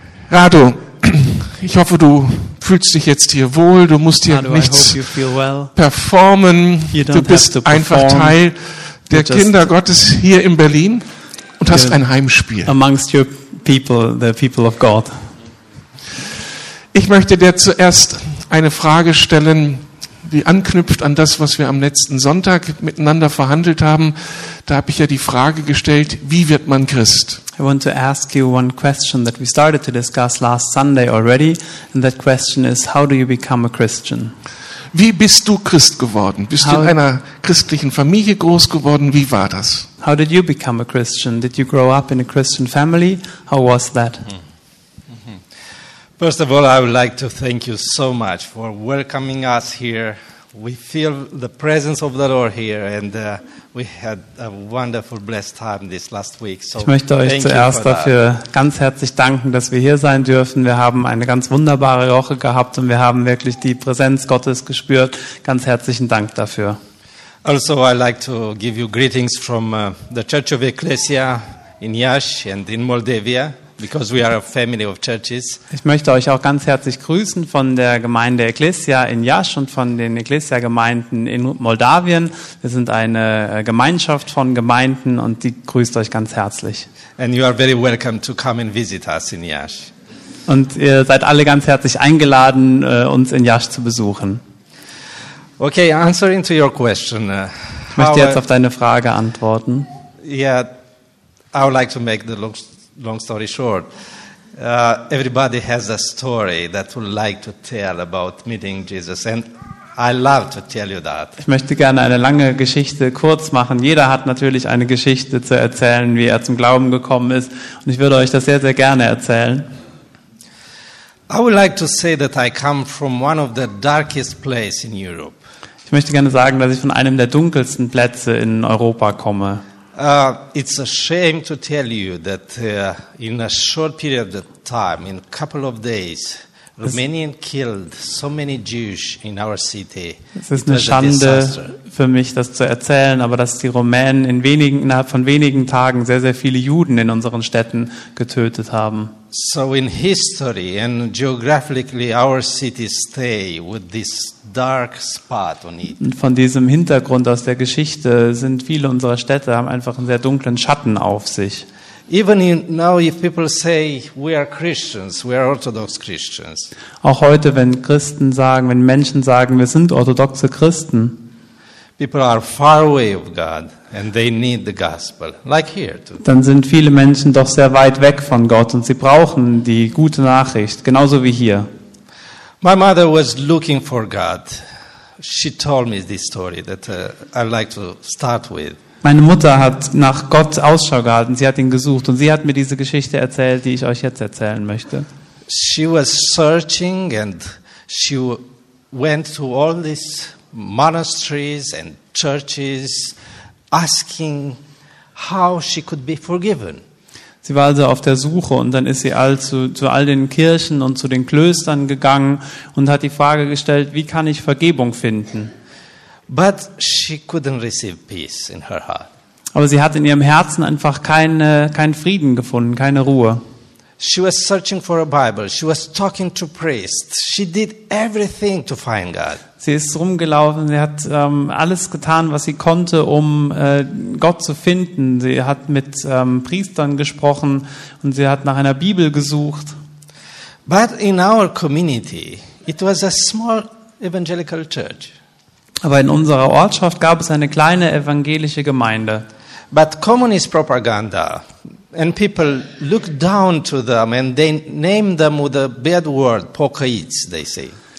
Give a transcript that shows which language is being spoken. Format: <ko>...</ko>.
<de>Radu, ich hoffe, du fühlst dich jetzt hier wohl, du musst hier nichts performen, du bist einfach Teil der Kinder Gottes hier in Berlin und hast ein Heimspiel.</de> <en>The people of God.</en> <de>Ich möchte dir zuerst eine Frage stellen, die anknüpft an das, was wir am letzten Sonntag miteinander verhandelt haben. Da habe ich ja die Frage gestellt, wie wird man Christ?</de> <en>I want to ask you one question that we started to discuss last Sunday already, and that question is, how do you become a Christian?</en> <de>Wie bist du Christ geworden? Bist du in einer christlichen Familie groß geworden? Wie war das?</de> <en>How did you become a Christian? Did you grow up in a Christian family? How was that? First of all, I would like to thank you so much for welcoming us here. We feel the presence of the Lord here, and we had a wonderful blessed time this last week.</en> <de>So ich möchte euch zuerst dafür ganz herzlich danken, dass wir hier sein dürfen. Wir haben eine ganz wunderbare Woche gehabt und wir haben wirklich die Präsenz Gottes gespürt. Ganz herzlichen Dank dafür.</de> <en>Also, I like to give you greetings from the Church of Ecclesia in Iași and in Moldavia, because we are a family of churches.</en> <de>Ich möchte euch auch ganz herzlich grüßen von der Gemeinde Ecclesia in Iași und von den Ecclesia Gemeinden in Moldawien. Wir sind eine Gemeinschaft von Gemeinden und die grüßt euch ganz herzlich.</de> <en>And you are very welcome to come and visit us in Iași.</en> <de>Und ihr seid alle ganz herzlich eingeladen, uns in Iași zu besuchen.</de> <en>Okay, answering to your question.</en> <de>Ich möchte jetzt auf deine Frage antworten.</de> <en>Yeah, I would like to make the long story short. Everybody has a story that would like to tell about meeting Jesus, and I love to tell you that.</en> <de>Ich möchte gerne eine lange Geschichte kurz machen. Jeder hat natürlich eine Geschichte zu erzählen, wie er zum Glauben gekommen ist, und ich würde euch das sehr, sehr gerne erzählen.</de> <en>I would like to say that I come from one of the darkest places in Europe.</en> <de>Ich möchte gerne sagen, dass ich von einem der dunkelsten Plätze in Europa komme.</de> <en>It's a shame to tell you that in a short period of time, in a couple of days, Romanian killed so many Jews in our city.</en> <de>Es ist eine Schande für mich, das zu erzählen, aber dass die Rumänen innerhalb von wenigen Tagen sehr, sehr viele Juden in unseren Städten getötet haben.</de> <en>So in history and geographically our cities stay with this dark spot on it.</en> <de>Von diesem Hintergrund aus der Geschichte sind viele unserer Städte haben einfach einen sehr dunklen Schatten auf sich.</de> <en>Even now if people say we are Christians, we are Orthodox Christians.</en> <de>Auch heute, wenn Christen sagen, wenn Menschen sagen, wir sind orthodoxe Christen.</de> <en>People are far away of God and they need the gospel, like here too.</en> <de>Dann sind viele Menschen doch sehr weit weg von Gott und sie brauchen die gute Nachricht, genauso wie hier.</de> <en>My mother was looking for God. She told me this story that I'd like to start with.</en> <de>Meine Mutter hat nach Gott Ausschau gehalten, sie hat ihn gesucht und sie hat mir diese Geschichte erzählt, die ich euch jetzt erzählen möchte.</de> <en>She was searching and she went to all these monasteries and churches asking how she could be forgiven.</en> <de>Sie war also auf der Suche und dann ist sie zu all den Kirchen und zu den Klöstern gegangen und hat die Frage gestellt, wie kann ich Vergebung finden?</de> <en>But she couldn't receive peace in her heart.</en> <de>Aber sie hat in ihrem Herzen einfach keinen Frieden gefunden, keine Ruhe.</de> <en>She was searching for a Bible. She was talking to priests. She did everything to find God.</en> <de>Sie ist rumgelaufen. Sie hat alles getan, was sie konnte, um Gott zu finden. Sie hat mit Priestern gesprochen und sie hat nach einer Bibel gesucht.</de> <en>But in our community, it was a small evangelical church.</en> <de>Aber in unserer Ortschaft gab es eine kleine evangelische Gemeinde.</de> <en>But communist propaganda and people looked down to them and they named them with a bad word, pokoids, they say.</en>